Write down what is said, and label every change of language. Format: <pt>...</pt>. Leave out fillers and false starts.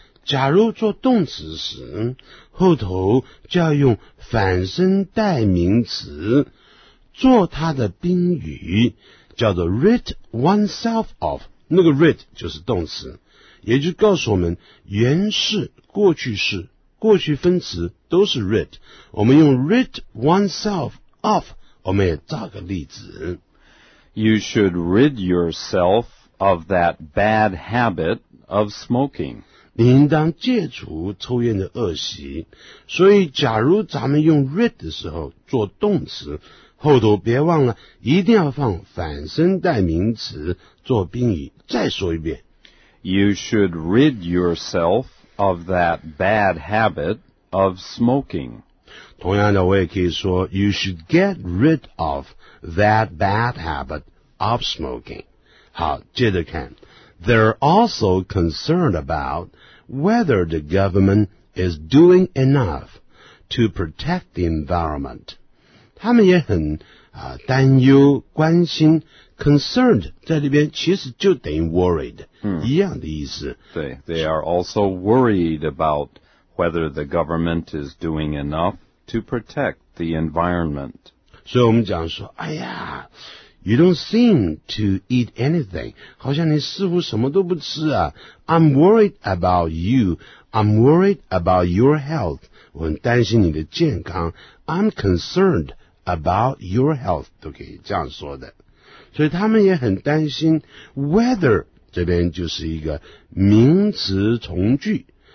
<zh>假如做动词时，后头就要用反身代名词，做它的宾语，叫做 rid oneself of， 那个 rid 就是动词，也就告诉我们原式、过去式、过去分词都是 rid， 我们用 rid oneself of， 我们也造个例子。</zh> <en>You should rid yourself of that bad habit of smoking.</en> <zh>你应当戒除抽烟的恶习。所以假如咱们用 rid 的时候做动词，后头别忘了一定要放反身代名词做宾语。再说一遍。</zh> <en>You should rid yourself of that bad habit of smoking.</en> <zh>同样的我也可以说</zh> <en>You should get rid of that bad habit of smoking.</en> <zh>好，接着看。</zh> <en>They're also concerned about whether the government is doing enough to protect the environment.</en> <zh>他们也很担忧关心 concerned 在这边其实就等于 worried、一样的意思。</zh> <en>对， they are also worried about whether the government is doing enough to protect the environment.</en> <zh>所以我们讲说哎呀</zh> <en>You don't seem to eat anything.</en> <zh>好像你似乎什么都不吃啊。</zh> <en>I'm worried about you. I'm worried about your health.</en> <zh>我很担心你的健康。</zh> <en>I'm concerned about your health.</en> <zh>都可以这样说的。所以他们也很担心 whether 这边就是一个名词从句。</zh>